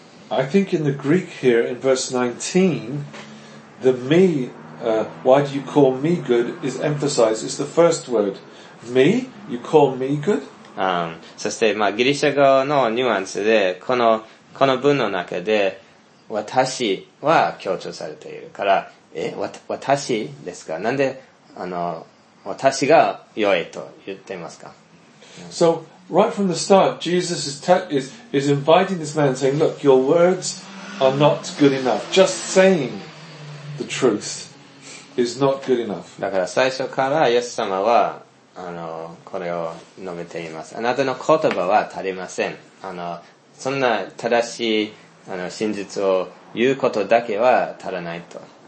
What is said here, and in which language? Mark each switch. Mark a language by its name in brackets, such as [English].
[English] I think in the Greek here in verse 19. The me, why do you call me good is emphasized. It's the first word. Me? You call me good? [Japanese] そして、まあ、ギリシャ語のニュアンスで、この文の中で、私は強調されているから、私ですか？なんで、あの、私が良いと言っていますか？ [English] So, right from the start, Jesus is inviting this man saying, look, your words are not good enough. Just saying. The truth is not good enough. [Japanese] だから最初からイエス様はあのこれを述べています。あなたの言葉は足りません。あのそんな正しいあの真実を言うことだけは足らないと。